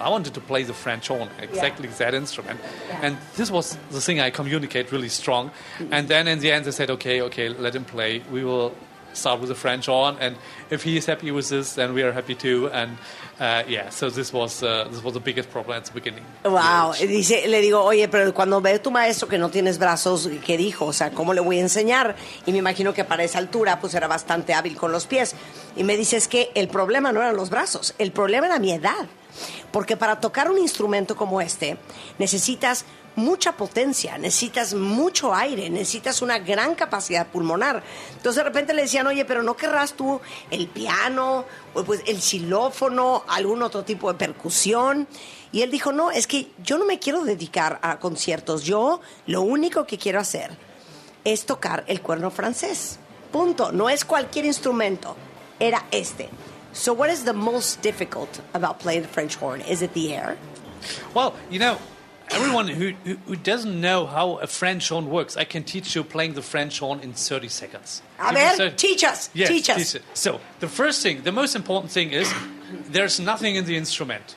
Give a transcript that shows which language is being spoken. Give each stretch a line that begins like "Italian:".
English: I wanted to play the French horn, exactly that instrument. Yeah. And this was the thing I communicate really strong. Mm-hmm. And then in the end they said, okay, let him play. We will start with the French horn. And if he is happy with this, then we are happy too. And so this was the biggest problem at the beginning. Wow.
Spanish: Dice, le digo, oye, pero cuando ve tu maestro que no tienes brazos, ¿qué dijo? O sea, ¿cómo le voy a enseñar? Y me imagino que para esa altura pues era bastante hábil con los pies. Y me dice, es que el problema no eran los brazos, el problema era mi edad. Porque para tocar un instrumento como este necesitas mucha potencia, necesitas mucho aire, necesitas una gran capacidad pulmonar. Entonces de repente le decían, oye, pero ¿no querrás tú el piano, pues el xilófono, algún otro tipo de percusión? Y él dijo, no, es que yo no me quiero dedicar a conciertos, yo lo único que quiero hacer es tocar el cuerno francés. Punto, no es cualquier instrumento, era este.
English: So what is the most difficult about playing the French horn? Is it the air? Well, you know, everyone who doesn't know how a French horn works, I can teach you playing the French horn in 30 seconds.
Spanish: A ver,
English: teach us. So the first thing, the most important thing is there's nothing in the instrument.